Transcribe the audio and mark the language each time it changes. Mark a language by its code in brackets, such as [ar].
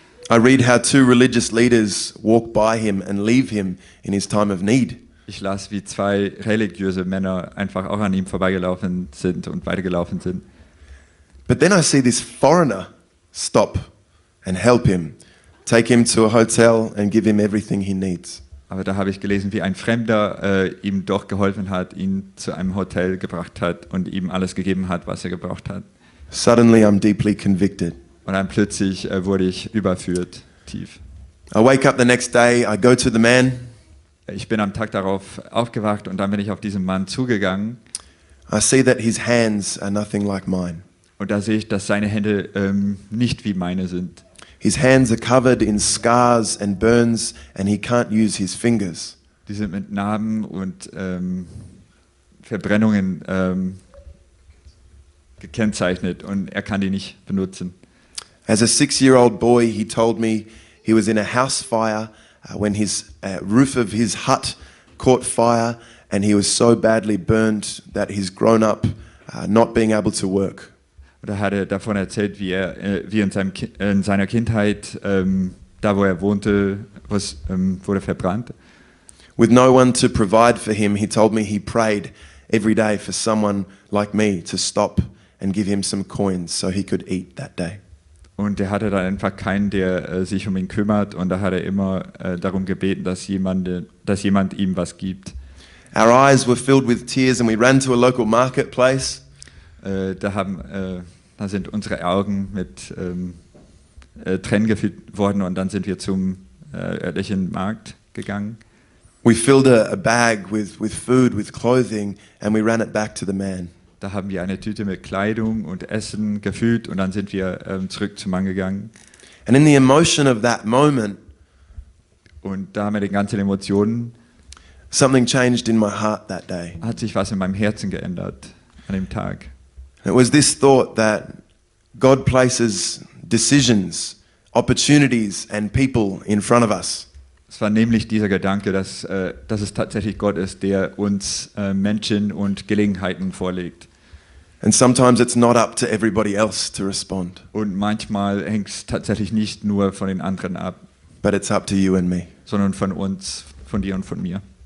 [en] I read how two religious leaders walk by him and leave him in his time of need. [de] Ich las, wie zwei religiöse Männer einfach auch an ihm vorbeigelaufen sind und weitergelaufen sind. [en] But then I see this foreigner stop and help him, take him to a hotel and give him everything he needs. [de] Aber da habe ich gelesen, wie ein Fremder ihm doch geholfen hat, ihn zu einem Hotel gebracht hat und ihm alles gegeben hat, was er gebraucht hat. [en] Suddenly I'm deeply convicted. [de] Und dann plötzlich wurde ich überführt, tief. [en] I wake up the next day, I go to the man. [de] Ich bin am Tag darauf aufgewacht und dann bin ich auf diesen Mann zugegangen. [en] I see that his hands are nothing like mine. [de] Und da sehe ich, dass seine Hände nicht wie meine sind. [en] His hands are covered in scars and burns and he can't use his fingers. [de] Die sind mit Narben und Verbrennungen gekennzeichnet und er kann die nicht benutzen. [en] As a 6-year-old boy, he told me he was in a house fire when his roof of his hut caught fire and he was so badly burned that he's grown up not being able to work. [de] Da hat er davon erzählt, wie in seiner Kindheit, da wo er wohnte, wurde verbrannt. [en] With no one to provide for him, he told me he prayed every day for someone like me to stop and give him some coins so he could eat that day. [de] Und er hatte dann einfach keinen, der sich um ihn kümmert. Und da hat er immer darum gebeten, dass jemand ihm was gibt. [en] Our eyes were filled with tears and we ran to a local marketplace. [de] Da sind unsere Augen mit Tränen gefüllt worden und dann sind wir zum örtlichen Markt gegangen. [en] We filled a bag with food, with clothing, and we ran it back to the man. [de] Da haben wir eine Tüte mit Kleidung und Essen gefüllt und dann sind wir zurück zum Mann gegangen. [en] And in the emotion of that moment, [de] und da haben wir den ganzen Emotionen, [en] something changed in my heart that day. [de] Hat sich was in meinem Herzen geändert an dem Tag. [en] It was this thought that God places decisions, opportunities and people in front of us. [de] Es war nämlich dieser Gedanke, dass, dass es tatsächlich Gott ist, der uns Menschen und Gelegenheiten vorlegt. [en] And sometimes it's not up to everybody else to respond. [de] Und manchmal hängt es tatsächlich nicht nur von den anderen ab. [en] But it's up to you and me. [de] Sondern von uns, von dir und von mir.